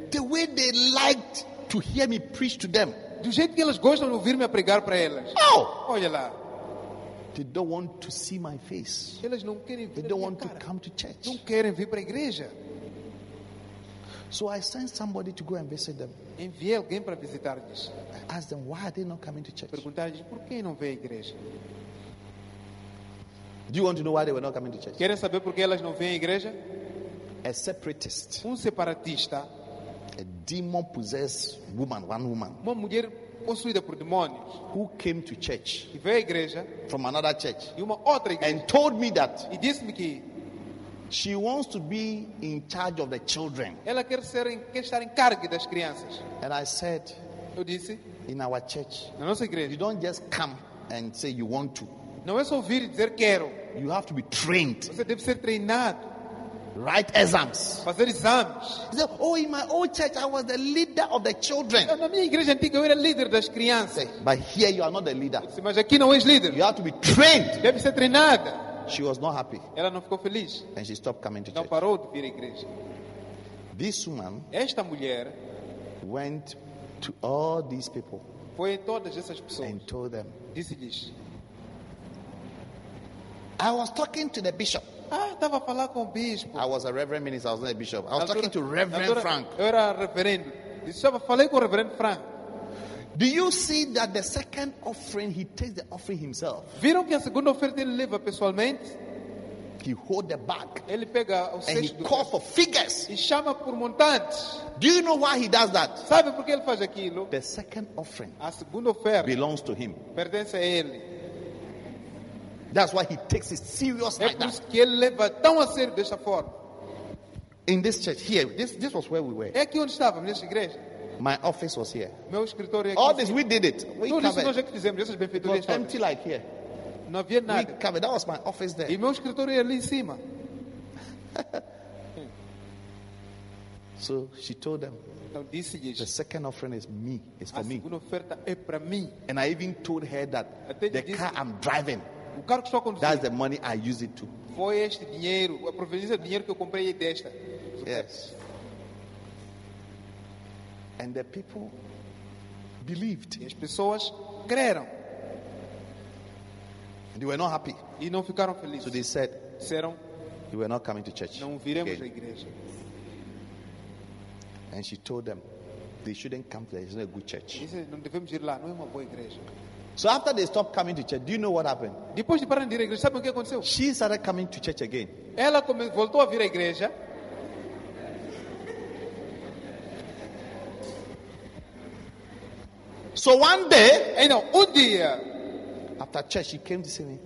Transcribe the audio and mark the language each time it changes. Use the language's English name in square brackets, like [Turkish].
[English] The way they liked to hear me preach to them. [Portuguese] Do jeito que elas gostam de ouvir-me a pregar para elas. Oh! Olha lá. [English] They don't want to see my face. [Portuguese] Elas não querem ver. [English] They don't want [Portuguese] cara. [English] To come to church. [Portuguese] Não querem vir para a igreja. [English] So I sent somebody to go and visit them. [Portuguese] Enviei alguém para visitar-lhes. [English] I asked them, why are they not coming to church? [Portuguese] Perguntar-lhes por que não vêm à igreja. [English] Do you want to know why they were not coming to church? [Portuguese] Querem saber por que elas não vêm à igreja? [English] A separatist. [Portuguese] Separatista. [English] A demon possessed woman, one woman. [Portuguese] Uma mulher possuída por demônios. [English] Who came to church? [Portuguese] E veio à igreja. [English] From another church. [Portuguese] E uma outra igreja. [English] And told me that. [Portuguese] E disse-me que [English] she wants to be in charge of the children. [Portuguese] Ela quer ser estar em cargo das crianças. [English] And I said, [Portuguese] eu disse, [English] in our church. [Portuguese] Na nossa igreja. [English] You don't just come and say you want to. [Portuguese] Não é só vir e dizer quero. [English] You have to be trained. [Portuguese] Você deve ser treinado. [English] Write exams. [Portuguese] Fazer exames. [English] He said, oh, in my old church, I was the leader of the children. [Portuguese] Na minha igreja antiga, eu era líder das crianças. [English] But here you are not the leader. [Portuguese] Mas aqui não és líder. [English] You have to be trained. [Portuguese] Deve ser treinada. [English] She was not happy. [Portuguese] Ela não ficou feliz. [English] And she stopped coming to church. [Portuguese] Não parou de vir à igreja. [English] This woman. [Portuguese] Esta mulher. [English] Went to all these people. [Portuguese] Foi a todas essas pessoas. [English] And told them. [Portuguese] Disse-lhes. [English] I was talking to the bishop. [Portuguese] Ah, eu estava a falar com o bispo. [English] I was a reverend minister, I was not a bishop. I was talking to Reverend altura, Frank. [Portuguese] Eu era reverendo. Disse, eu falei com o reverendo Frank. [English] Do you see that the second offering, he takes the offering himself? [Portuguese] Viram que a segunda oferta ele leva pessoalmente? [English] He hold the bag. [Portuguese] Ele pega o [English] and he call for figures. [Portuguese] E chama por montantes. [English] Do you know why he does that? [Portuguese] Sabe por que ele faz aquilo? [English] The second offering. [Portuguese] A segunda oferta. [English] Belongs to him. [Portuguese] Pertence a ele. [English] That's why he takes it serious like that. [Portuguese] Que ele leva tão a sério dessa forma. [English] In this church here, this was where we were. [Portuguese] É aqui onde estávamos nesta igreja. [English] My office was here. [Portuguese] Meu escritório é aqui. [English] All this we did it. We [Portuguese] tudo isso nós é que fizemos. Essas benfeitorias. [English] It was empty like here. [Portuguese] Não havia nada. [English] We covered. That was my office there. [Portuguese] E meu escritório é ali em cima. [English] So she told them. [Portuguese] Então disse-lhes, [English] the second offering is me. It's for me. [Portuguese] A segunda oferta é para mim. [English] And I even told her that the car I'm driving. [Portuguese] O carro que estou a conduzir. [English] That's the money I use it to. [Portuguese] Foi este dinheiro, a proveniência do dinheiro que eu comprei é desta. [English] Yes. And the people believed. [Portuguese] E as pessoas creram. [English] They were not happy. [Portuguese] E não ficaram felizes. [English] So they said, [Portuguese] disseram, [English] you were not coming to church. [Portuguese] Não viremos à igreja. [English] And she told them, they shouldn't come there. It's not a good church. [Portuguese] Disse, não devemos ir lá. Não é uma boa igreja. [English] So after they stopped coming to church, do you know what happened? [Portuguese] Depois de pararem de ir à igreja, sabe o que aconteceu? [English] She started coming to church again. [Portuguese] Ela voltou a vir à igreja. [English] So one day, you know, [Portuguese] um dia, [English] after church, she came to see me.